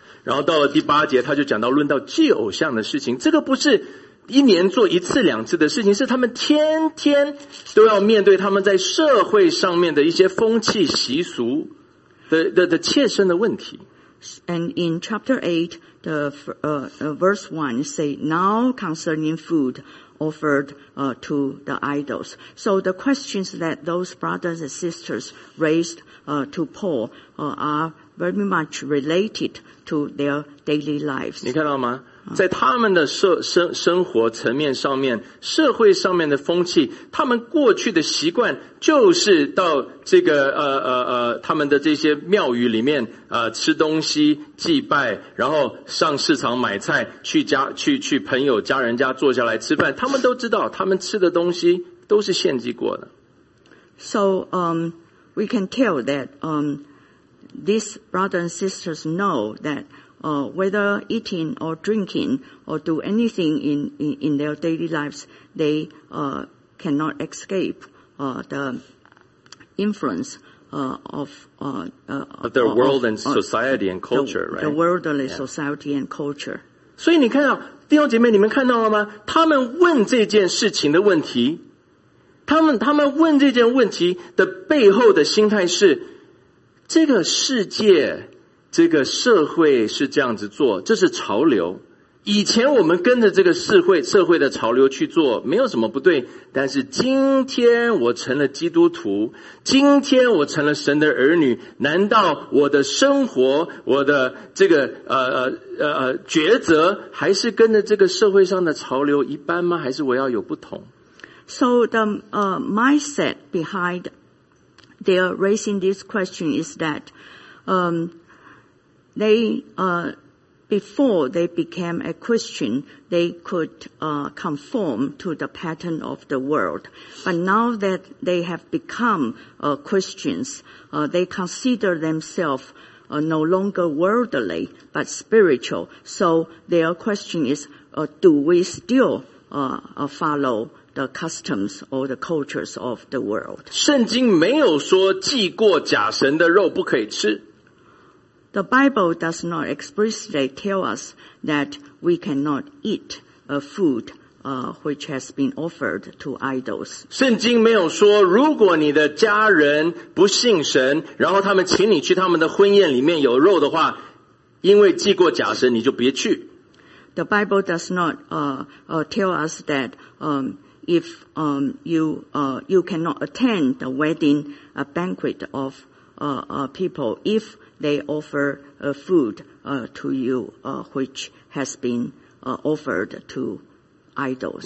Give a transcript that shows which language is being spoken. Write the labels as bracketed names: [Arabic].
[Chinese] 然后到了第八节，他就讲到论到祭偶像的事情，这个不是一年做一次两次的事情，是他们天天都要面对他们在社会上面的一些风气习俗的切身的问题。 [English] And in chapter 8, the verse 1 say, now concerning food offered to the idols. So the questions that those brothers and sisters raised to Paul are very much related to their daily lives. [Chinese] 你看到吗？在他们的生活层面上面，社会上面的风气，他们过去的习惯就是到这个他们的这些庙宇里面吃东西祭拜，然后上市场买菜，去朋友家人家坐下来吃饭，他们都知道他们吃的东西都是献祭过的。 [English] So, we can tell that, these brothers and sisters know that whether eating or drinking or do anything in their daily lives, they cannot escape the influence of their world and society and culture, right? The worldly society and culture. [Chinese] 所以你看到弟兄姐妹，你们看到了吗？他们问这件事情的问题，他们问这件问题的背后的心态是这个世界。这个社会是这样子做，这是潮流。以前我们跟着这个社会的潮流去做，没有什么不对。但是今天我成了基督徒，今天我成了神的儿女，难道我的生活，我的这个抉择，还是跟着这个社会上的潮流一般吗？还是我要有不同 [English] ？So the mindset behind their raising this question is that, They, before they became a Christian, they could, conform to the pattern of the world. But now that they have become, Christians, they consider themselves, no longer worldly, but spiritual. So their question is, do we still, follow the customs or the cultures of the world? [Chinese] 圣经没有说祭过假神的肉不可以吃。 [English] The Bible does not explicitly tell us that we cannot eat a food which has been offered to idols. [Chinese] 圣经没有说，如果你的家人不信神，然后他们请你去他们的婚宴里面有肉的话，因为祭过假神，你就别去。 [English] The Bible does not tell us that if you cannot attend the wedding banquet of people if they offer food to you which has been offered to idols.